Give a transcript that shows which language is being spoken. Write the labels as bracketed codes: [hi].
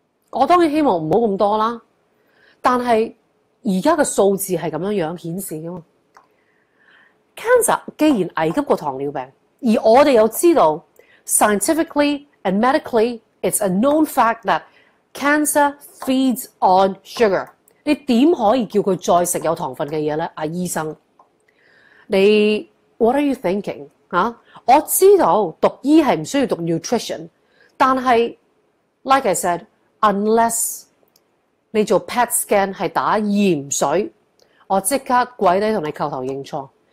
[yue] 我當然希望不要那麼多啦，但是現在的數字是這樣顯示的。 [en] Cancer [yue] 既然危急過糖尿病，而我們又知道 [en] scientifically and medically, it's a known fact that cancer feeds on sugar. [yue] 你怎可以叫它再吃有糖分的東西呢？醫生，你 [en] what are you thinking? [yue] 我知道讀醫是不需要讀 nutrition， 但是 [en] like I said， [yue] unless 你做 PET scan 是打鹽水，我即刻跪低同你叩頭認錯。